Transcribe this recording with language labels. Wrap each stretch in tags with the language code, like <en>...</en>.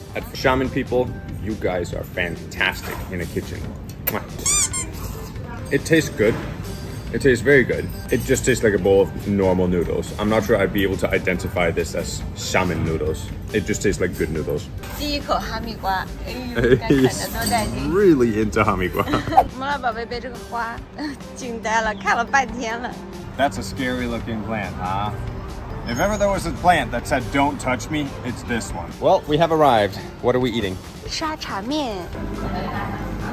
<en>At Shaman People, you guys are fantastic in a kitchen. It tastes good. It tastes very good. It just tastes like a bowl of normal noodles. I'm not sure I'd be able to identify this as shaman noodles. It just tastes like good noodles. He's really into hamigua.</en> <zh>我们老宝贝被这个花惊呆了，看了半天了。</zh> <en>That's a scary looking plant, huh? If ever there was a plant that said don't touch me, it's this one. Well, we have arrived. What are we eating?</en> <zh>沙茶面。</zh>